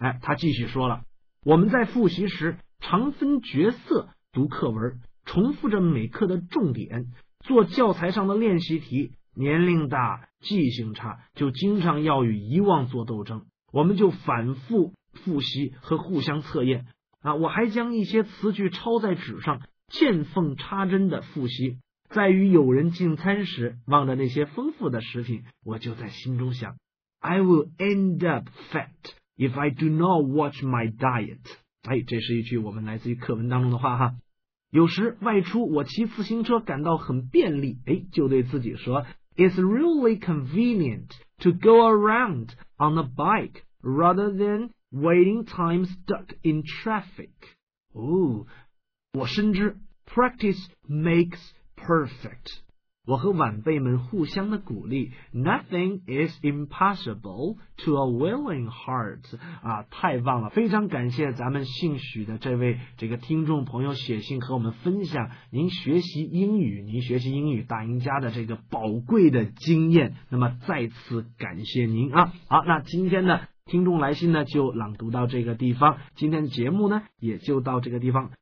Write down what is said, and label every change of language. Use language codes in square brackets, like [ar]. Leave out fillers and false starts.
[zh] 他继续说了，我们在复习时常分角色读课文，重复着每课的重点，做教材上的练习题。年龄大，记性差，就经常要与遗忘做斗争，我们就反复复习和互相测验。我还将一些词句抄在纸上，见缝插针的复习。在与友人进餐时，望着那些丰富的食品，我就在心中想 [en] I will end up fat if I do not watch my diet。 [zh] 这是一句我们来自于课文当中的话哈。有时外出我骑自行车感到很便利，就对自己说 [en] It's really convenient to go around on a bike rather than waiting time stuck in traffic。 [zh] 我深知 [en] practice makes perfect， [zh] 我和晚辈们互相的鼓励 [en] Nothing is impossible to a willing heart。 [zh] 太棒了，非常感谢咱们姓许的这位这个听众朋友写信和我们分享您学习英语，您学习英语大赢家的这个宝贵的经验，那么再次感谢您啊。好，那今天呢听众来信呢就朗读到这个地方，今天的节目呢也就到这个地方。